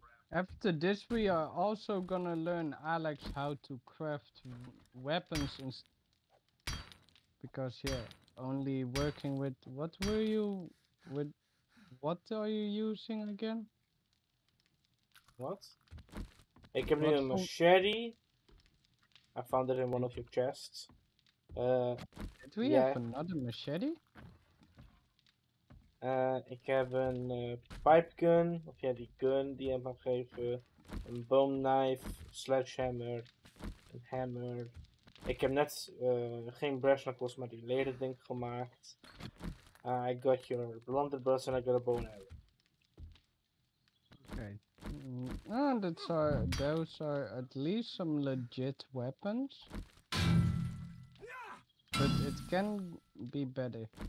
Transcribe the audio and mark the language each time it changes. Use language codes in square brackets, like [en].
[en] After this, we are also gonna learn Alex how to craft weapons and because, yeah, only working with... What were you... with... What are you using again? What? I can make a machete. I found it in one of your chests. Did we have another machete? [nl] Ik heb een pipegun, of ja, die gun die hem mag geven. Een bone knife, sledgehammer, een hammer. Ik heb net geen brass knuckles, maar die leren ding gemaakt. [en] I got your blunderbuss and I got a bone arrow. Okay. Ah, those are at least some legit weapons. But it can be better.